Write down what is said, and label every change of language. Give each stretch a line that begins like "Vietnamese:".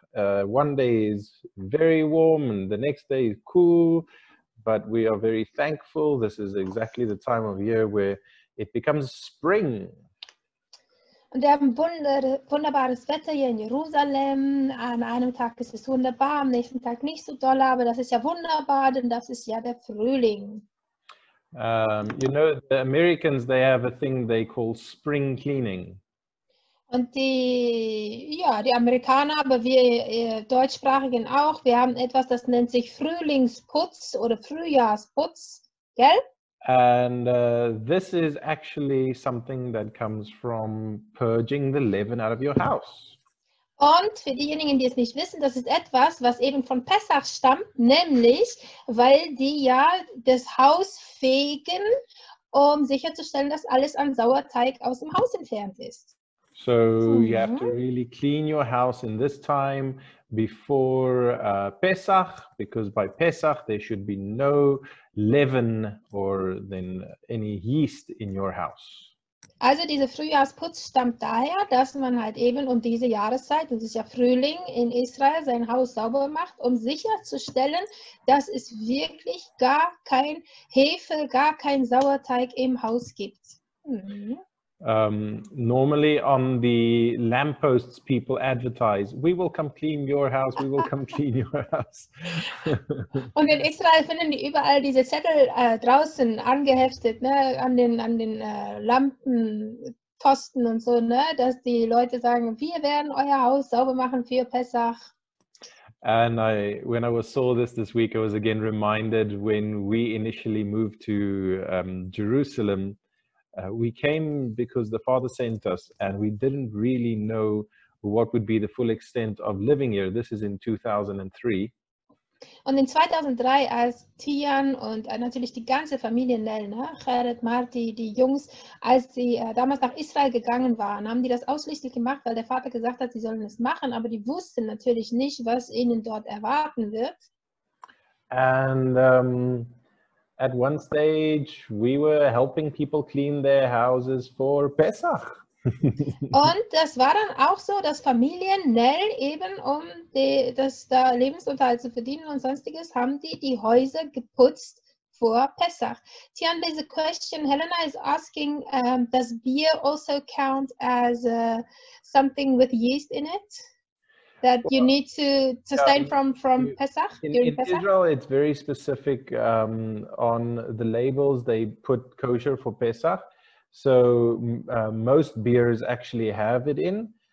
English: One day is very warm and the next day is cool, but we are very thankful. This is exactly the time of year where it becomes spring.
German: Und wir haben wunderbares Wetter hier in Jerusalem. An einem Tag ist es wunderbar, am nächsten Tag nicht so doll, aber das ist ja wunderbar, denn das ist ja der Frühling.
English: The Americans, they have a thing they call spring cleaning.
German: Und die Amerikaner, aber wir Deutschsprachigen auch, wir haben etwas, das nennt sich Frühlingsputz oder Frühjahrsputz, gell?
English: And this is actually something that comes from purging the leaven out of your house.
German: Und für diejenigen, die es nicht wissen, das ist etwas, was eben von Pessach stammt, nämlich weil die ja das Haus fegen, um sicherzustellen, dass alles an Sauerteig aus dem Haus entfernt ist.
English: So you have to really clean your house in this time before Pesach, because by Pesach there should be no leaven or then any yeast in your house.
German: Also dieser Frühjahrsputz stammt daher, dass man halt eben um diese Jahreszeit, das ist ja Frühling in Israel, sein Haus sauber macht, um sicherzustellen, dass es wirklich gar kein Hefe, gar kein Sauerteig im Haus gibt.
English: Normally on the lampposts, people advertise, "We will come clean your house, we will come clean your house."
German: Und in Israel finden die überall diese Zettel draußen angeheftet, ne, an den Lampen, Pfosten und so, ne, dass die Leute sagen, wir werden euer Haus sauber machen für Pessach.
English: And when I was saw this week, I was again reminded when we initially moved to Jerusalem. We came because the Father sent us, and we didn't really know what would be the full extent of living here. This is in 2003.
German: Und in 2003, als Tian und natürlich die ganze Familie Nell, ne, Gerrit, Marti, die Jungs, als sie damals nach Israel gegangen waren, haben die das ausschließlich gemacht, weil der Vater gesagt hat, sie sollen es machen, aber die wussten natürlich nicht, was ihnen dort erwarten wird.
English: At one stage, we were helping people clean their houses for Pesach.
German: Und das war dann auch so, dass Familien Nell eben, um das da Lebensunterhalt zu verdienen und sonstiges, haben die Häuser geputzt vor Pessach.
English: Tian, there's a question. Helena is asking, does beer also count as something with yeast in it that you need to sustain from Pessach In during Pessach? Israel, it's very specific on the labels. They put kosher for Pesach, so most beers actually have it in.